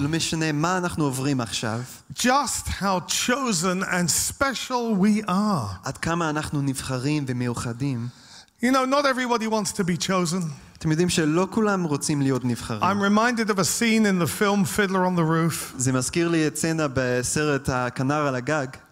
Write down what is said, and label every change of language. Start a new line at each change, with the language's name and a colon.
Hebrew: לא משנה מה אנחנו עוברים עכשיו.
English: Just how chosen and special we are.
Hebrew: עד כמה אנחנו נבחרים ומיוחדים.
English: You know, not everybody wants to be chosen.
Hebrew: אתם יודעים שלא כולם רוצים להיות נבחרים.
English: I'm reminded of a scene in the film Fiddler on the Roof.
Hebrew: זה מזכיר לי את סצנה בסרט הכנר על הגג.